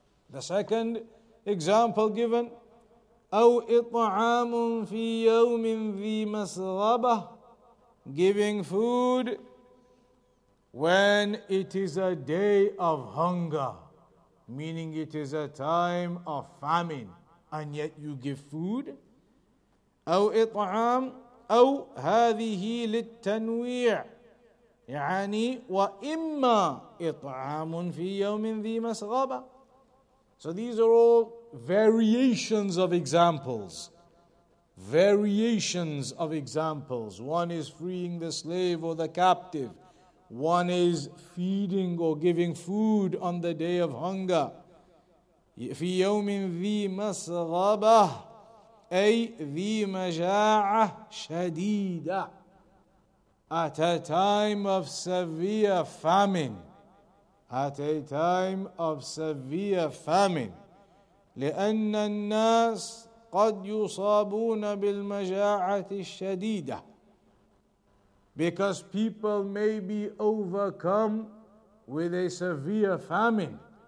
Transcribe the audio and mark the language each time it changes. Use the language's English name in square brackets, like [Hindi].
[English] The second example given, [Arabic] أو إطعام في يوم ذي مسغبة, [English] giving food when it is a day of hunger, meaning it is a time of famine, and yet you give food. [Arabic] أو إطعام أو هذه للتنويع يعني وإما إطعام في يوم ذي مسغبة. [English] So these are all variations of examples. Variations of examples. One is freeing the slave or the captive. One is feeding or giving food on the day of hunger. [Arabic] فِي يَوْمٍ ذِي مَسْغَبَةٍ أَيْ ذِي مَجَاعَةٍ شَدِيدَةٍ, [English] at a time of severe famine. At a time of severe famine. [Arabic] لِأَنَّ النَّاسِ قَدْ يُصَابُونَ بِالْمَجَاعَةِ الشَّدِيدَةِ, [English] because people may be overcome with a severe famine.